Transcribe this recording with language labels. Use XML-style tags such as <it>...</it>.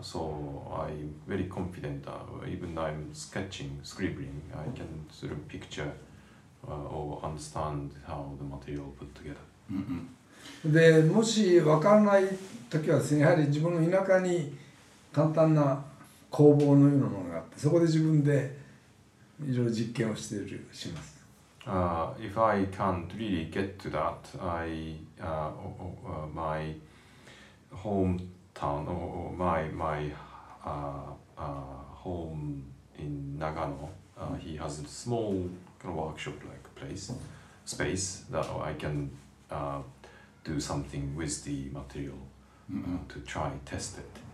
<en>So I'm very confident, even I'm sketching, scribbling, I can sort of picture or understand how the material put together. Mm-hmm.</en> <ja>で、もし分からないときはですね、やはり自分の田舎に簡単な工房のようなものがあって、そこで自分でいろいろ実験をしてるします。</ja> <en>If I can't really get to that, my home town or my home in Nagano, he has a small kind of workshop like place, space that I can do something with the material to try test it.</en>